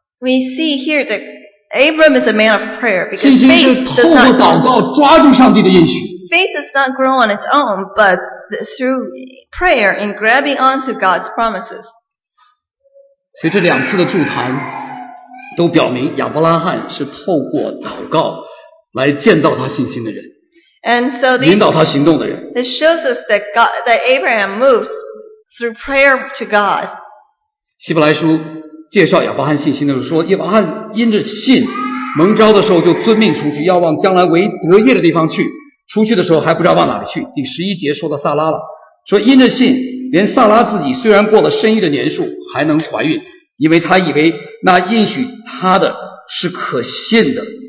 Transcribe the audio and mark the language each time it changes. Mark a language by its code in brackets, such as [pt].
[en] We see here that Abram is a man of prayer because faith does not grow. [zh] 信心是透过祷告抓住上帝的应许。 [en] Faith does not grow on its own, but through prayer in grabbing onto God's promises. [zh] 所以这两次的筑坛都表明亚伯拉罕是透过祷告来建造他信心的人。 [en] And so these, [zh] 引导他行动的人。 [en] It shows us that God, that Abraham moves through prayer to God. [zh] 希伯来书介绍亚伯拉罕信心的时候说，亚伯拉罕因着信蒙召的时候就遵命出去，要往将来为得业的地方去。出去的时候还不知道往哪里去。第十一节说到萨拉了，说因着信，连萨拉自己虽然过了生育的年数，还能怀孕，因为他以为那应许他的是可信的。